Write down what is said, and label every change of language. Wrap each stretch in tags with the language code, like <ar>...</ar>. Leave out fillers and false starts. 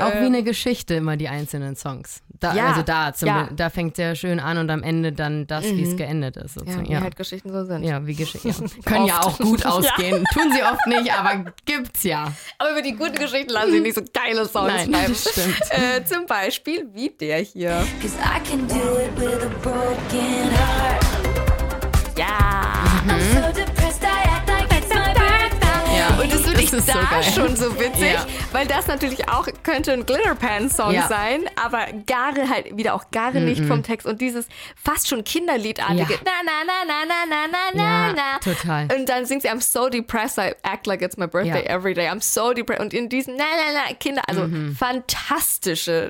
<de>auch wie eine Geschichte immer, die einzelnen Songs. Da, ja. Also da, zum ja. da fängt es ja schön an und am Ende dann das, mhm. wie es geendet ist. Sozusagen. Ja, wie halt Geschichten so sind. Ja, wie Geschichten. Ja. Können ja auch gut ausgehen. Ja. Tun sie oft nicht, aber gibt's ja. Aber über die guten Geschichten lassen sie nicht so geile Songs Nein, schreiben. Nein, stimmt. Zum Beispiel wie der hier.</de> <en>Cause I can do it with a broken heart. Yeah. Mm-hmm. I'm so depressed I act like it's my birthday. Yeah.</en> <de>Und das finde ich ist da so geil. Schon so witzig, ja. weil das natürlich auch könnte ein Glitterpants-Song ja. sein, aber gar halt wieder auch gar mm-hmm. nicht vom Text und dieses fast schon Kinderliedartige ja. na na na na na na na na ja, total. Und dann singt sie</de> <en>I'm so depressed I act like it's my birthday</en> <de>ja.</de> <en>every day. I'm so depressed</en> <de>und in diesen na na na Kinder, also mm-hmm. fantastische</de>